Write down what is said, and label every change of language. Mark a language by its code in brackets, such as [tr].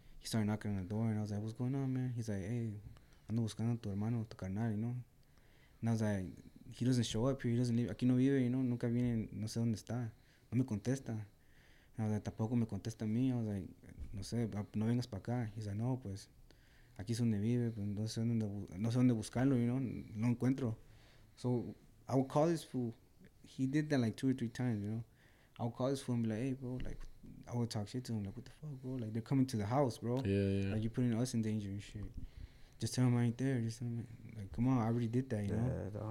[en] He started knocking on the door, and I was like, what's going on, man? He's like, hey, [es] ando buscando tu hermano, tu carnal, [en] you know? And I was like, he doesn't show up here. He doesn't live. [es] Aquí no vive, [en] you know? [es] Nunca viene. No sé dónde está. No me contesta. [en] I was like, [es] tampoco me contesta a mí. [en] I was like, [es] no sé, no vengas para acá. [en] He's like, [es] no, pues, aquí es donde vive. Pues, no sé dónde buscarlo, [en] you know? [es] No encuentro. [en] So I would call this fool. He did that like 2 or 3 times, you know? I would call this fool and be like, hey, bro, like, I would talk shit to him. Like, what the fuck, bro? Like, they're coming to the house, bro. Yeah, yeah. Like, you're putting us in danger and shit. Just tell him I ain't there. Just tell him, like, come on, I already did that, you know?